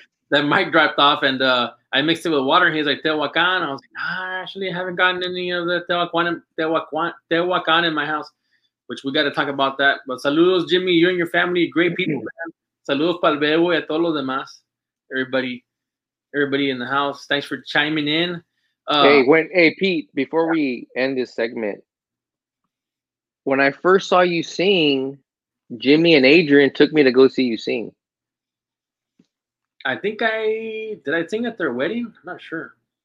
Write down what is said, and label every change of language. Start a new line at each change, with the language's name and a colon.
English: That mic dropped off, and I mixed it with water. He's like, Tehuacan. I was like, actually, I haven't gotten any of the Tehuacan in my house, which we got to talk about that. But saludos, Jimmy. You and your family, great people, man.
Spanish: Saludos pa'l bebo y a todos los demás.
English: Everybody in the house, thanks for chiming in. Hey, Pete, before we end this segment, when I first saw you sing, Jimmy and Adrian took me to go see you sing. I think I sing at their wedding? I'm not sure.